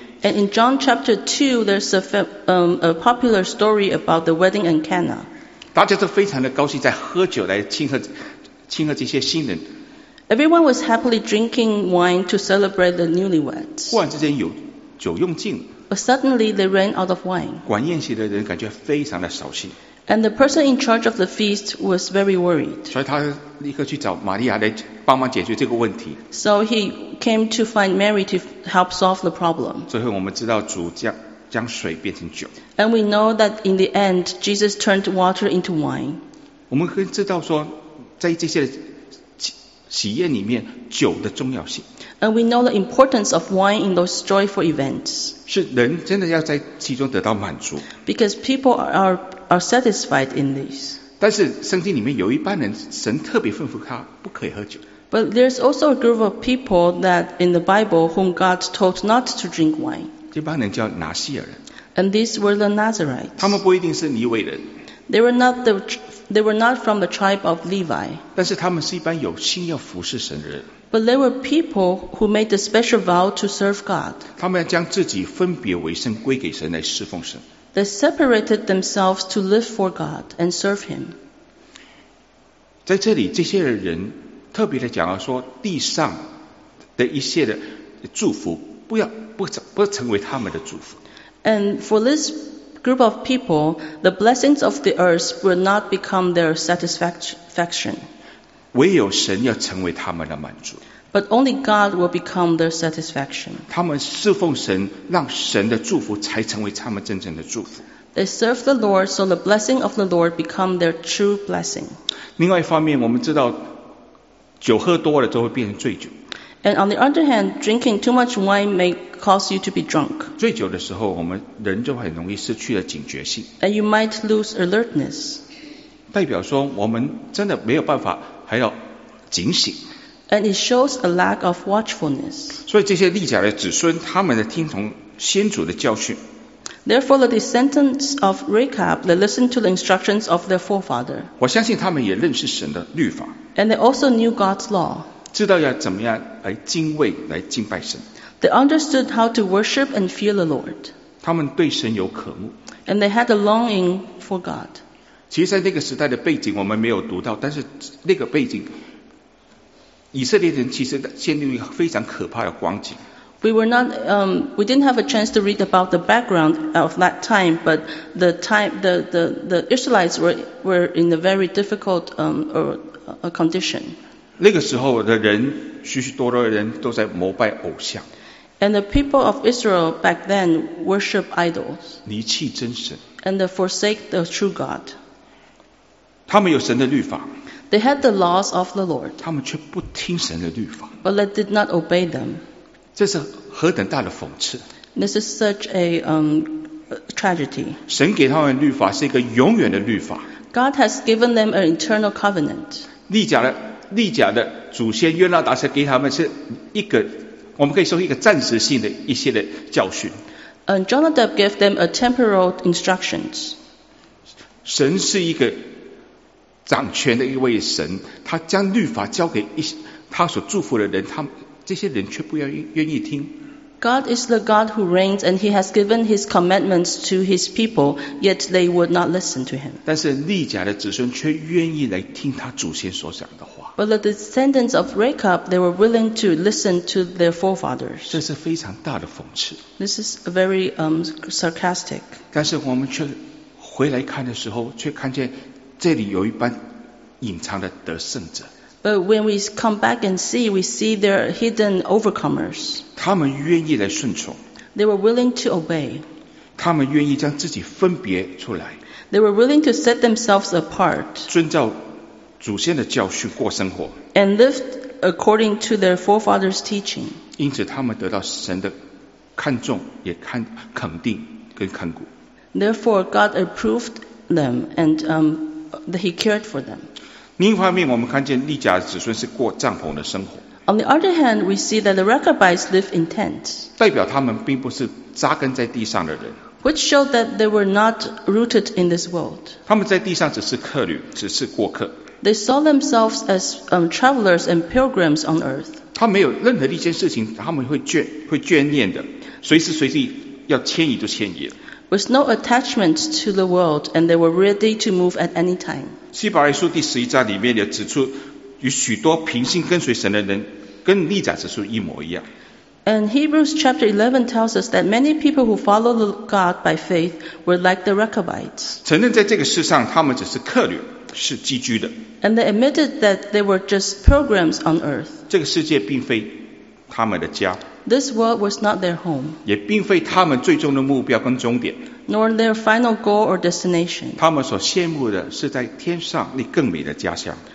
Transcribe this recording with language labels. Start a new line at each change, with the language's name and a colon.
English: And in John chapter 2, there's a popular story about the wedding in Cana.
Chinese: 大家都非常的高兴在喝酒来庆贺这些新人。
English: Everyone was happily drinking wine to celebrate the newlyweds.
Chinese: 忽然之间有酒用尽。
English: But suddenly they ran out of wine.
Chinese: 管宴席的人感觉非常的扫兴。
English: And the person in charge of the feast was very worried.
Chinese: 所以他立刻去找玛利亚来帮忙解决这个问题。
English: So he came to find Mary to help solve the problem.
Chinese: 最后我们知道主将水变成酒。
English: And we know that in the end, Jesus turned water into wine.
Chinese: 我们可以知道说，在这些喜宴里面，酒的重要性。
English: And we know the importance of wine in those joyful events.
Chinese: 是人真的要在其中得到满足。
English: Because people are satisfied in this.
Chinese: 但是圣经里面有一般人，神特别吩咐他不可以喝酒。
English: But there's also a group of people that in the Bible whom God told not to drink wine.
Chinese: 这帮人叫拿细耳人。
English: And these were the Nazarites.
Chinese: 他们不一定是尼未人。
English: They were not from the tribe of Levi.
Chinese: 但是他们是一般有心要服侍神的人。
English: But there were people who made a special vow to serve God.
Chinese: 他们将自己分别为圣，归给神来侍奉神。
English: They separated themselves to live for God and serve Him.
Chinese: 在这里，这些人特别的讲到说，地上的一些的祝福，不成为他们的祝福。
English: And for this group of people, the blessings of the earth will not become their satisfaction.
Chinese: 唯有神要成为他们的满足。
English: But only God will become their satisfaction.
Chinese: 他们侍奉神，让神的祝福才成为他们真正的祝福。
English: They serve the Lord, so the blessing of the Lord become their true blessing.
Chinese: 另外一方面，我们知道酒喝多了就会变成醉酒。
English: And on the other hand, drinking too much wine may cause you to be drunk.
Chinese: 醉酒的时候，我们人就很容易失去了警觉性。
English: And you might lose alertness.
Chinese: 代表说我们真的没有办法还要警醒。
English: And it shows a lack of watchfulness.
Chinese: 所以这些利甲的子孙，他们的听从先祖的教训。
English: Therefore, the descendants of Rechab, they listened to the instructions of their forefather.
Chinese: 我相信他们也认识神的律法。
English: And they also knew God's law.
Chinese: 知道要怎么样来敬畏，来敬拜神。
English: They understood how to worship and fear the Lord.
Chinese: 他们对神有渴慕。
English: And they had a longing for God.
Chinese: 其实在那个时代的背景我们没有读到，但是那个背景以色列人其实陷入一个非常可怕的光景。
English: We didn't have a chance to read about the background of that time, but the Israelites were in a very difficult condition.
Chinese: 那个时候的人，许许多多的人都在膜拜偶像。
English: And the people of Israel back then worship idols.
Chinese: 离弃真神。
English: And they forsake the true God.
Chinese: 他们有神的律法。
English: They had the laws of the Lord.
Chinese: 他们却不听神的律法。
English: But they did not obey them.
Chinese: 这是何等大的讽刺。
English: This is such a tragedy.
Chinese: 神给他们的律法是一个永远的律法。
English: God has given them an eternal covenant.
Chinese: 利甲的祖先约拿达是给他们是一个，我们可以说一个暂时性的一些的教训。
English: And Jonadab gave them a temporal instructions.
Chinese: 神是一个掌权的一位神，他将律法交给他所祝福的人，他这些人却不愿意听。
English: God is the God who reigns, and He has given His commandments to His people, yet they would not listen to Him.
Chinese: 但是利甲的子孙却愿意来听他祖先所讲的话。
English: But the descendants of Rechab, they were willing to listen to their forefathers.
Chinese: 这是非常大的讽刺。
English: This is very sarcastic.
Chinese: 但是我们却回来看的时候，却看见这里有一班隐藏的得胜者。
English: But when we come back and see, we see there are hidden overcomers.
Chinese: 他们愿意来顺从。
English: They were willing to obey.
Chinese: 他们愿意将自己分别出来。
English: They were willing to set themselves apart.
Chinese: 遵照祖先的教训过生活。
English: And lived according to their forefathers' teaching.
Chinese: 因此他们得到神的看重，也看肯定跟看顾。
English: Therefore, God approved them and that he cared for them.
Chinese: 另一方面，我们看见利甲的子孙是过帐篷的生活。
English: On the other hand, we see that the Rechabites live in tents.
Chinese: 代表他们并不是扎根在地上的人。
English: Which showed that they were not rooted in this world.
Chinese: 他们在地上只是客旅，只是过客。
English: They saw themselves as travelers and pilgrims on earth.
Chinese: 他没有任何一件事情他们会眷恋的，随时随地要迁移就迁移了。
English: With no attachment to the world, and they were ready to move at any time.
Chinese: 希伯来书第十一章里面也指出，与许多凭信跟随神的人，跟利甲子孙一模一样。
English: And Hebrews chapter 11 tells us that many people who follow God by faith were like the Rechabites.
Chinese: 承认在这个世上他们只是客旅，是寄居的。
English: And they admitted that they were just pilgrims on earth.
Chinese: 这个世界并非他们的家。
English: This world was not their home.
Chinese: 也并非他们最终的目标跟终点。
English: Nor their final goal or destination.
Chinese: 他们所羡慕的是在天上那更美的家乡。